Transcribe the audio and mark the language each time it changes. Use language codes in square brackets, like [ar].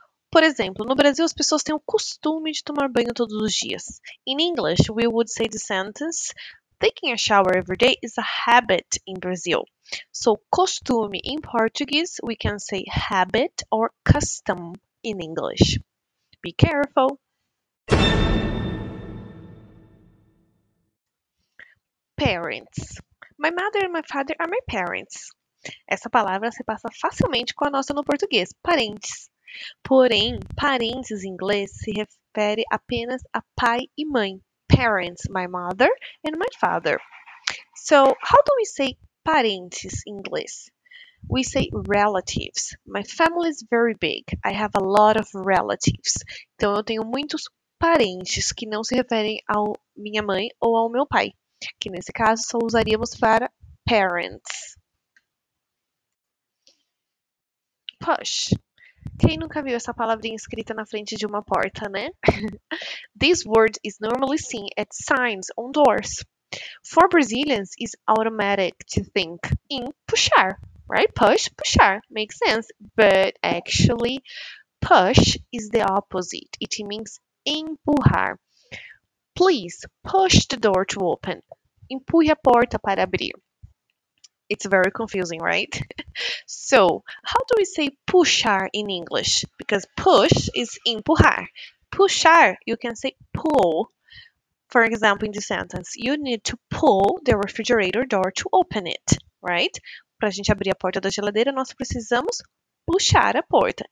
[pt] Por exemplo, no Brasil, as pessoas têm o costume de tomar banho todos os dias. [en] In English, we would say the sentence, taking a shower every day is a habit in Brazil. So, costume in Portuguese, we can say habit or custom in English. Be careful! Parents. My mother and my father are my parents. [pt] Essa palavra se passa facilmente com a nossa no português, parentes. Porém, parentes em inglês se refere apenas a pai e mãe. [en] Parents, my mother and my father. So, how do we say parentes in English? We say relatives. My family is very big. I have a lot of relatives. [pt] Então, eu tenho muitos parentes que não se referem à minha mãe ou ao meu pai. Que nesse caso, só usaríamos para parents. Push. Quem nunca viu essa palavrinha escrita na frente de uma porta, né? [en] This word is normally seen at signs on doors. For Brazilians, it's automatic to think in puxar, right? Push, puxar. Makes sense. But actually, push is the opposite. It means empurrar. Please, push the door to open. [pt] Empurre a porta para abrir. [en] It's very confusing, right? So, how do we say puxar in English? Because push is empurrar. Puxar, you can say pull. For example, in the sentence, you need to pull the refrigerator door to open it, right? [pt] Para a gente abrir a porta da geladeira, nós precisamos puxar a porta.